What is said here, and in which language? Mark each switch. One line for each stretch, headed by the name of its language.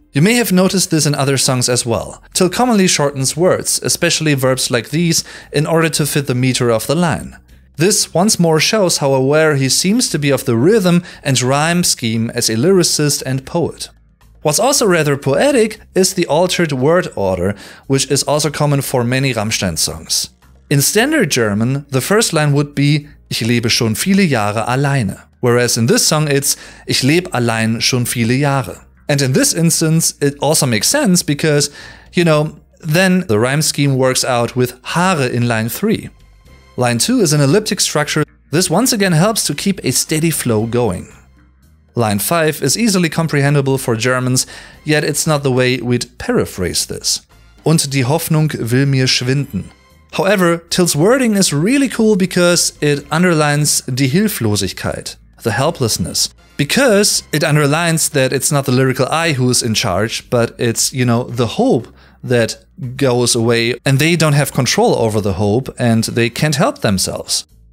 English: You may have noticed this in other songs as well. Till commonly shortens words, especially verbs like these, in order to fit the meter of the line. This once more shows how aware he seems to be of the rhythm and rhyme scheme as a lyricist and poet. What's also rather poetic is the altered word order, which is also common for many Rammstein songs. In standard German, the first line would be
German: Ich lebe schon viele Jahre alleine,
English: whereas in this song it's
German: Ich lebe allein schon viele Jahre.
English: And in this instance, it also makes sense because, you know, then the rhyme scheme works out with Haare in line 3. Line 2 is an elliptic structure. This once again helps to keep a steady flow going. Line 5 is easily comprehensible for Germans, yet it's not the way we'd paraphrase this.
German: Und die Hoffnung will mir schwinden.
English: However, Till's wording is really cool because it underlines die Hilflosigkeit, the helplessness. Because it underlines that it's not the lyrical I who's in charge, but it's, you know, the hope that goes away and they don't have control over the hope and they can't help themselves.